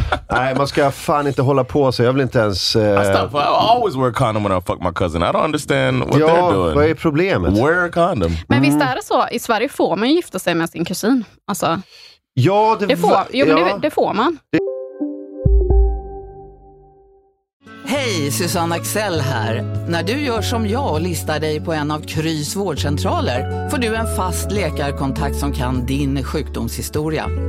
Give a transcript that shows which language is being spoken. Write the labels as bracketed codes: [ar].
[sv] Nej, man ska fan inte hålla på så. Jag vill inte ens... [en] I always wear a condom when I fuck my cousin. I don't understand what they're doing. [sv] Ja, vad är problemet? [en] Wear a condom. [sv] Men visst är det så? I Sverige får man gifta sig med sin kusin. Alltså, ja, det får, jo, men det får man. Hej! Susanne Axel här. När du gör som jag och listar dig på en av Krys vårdcentraler får du en fast läkarkontakt som kan din sjukdomshistoria.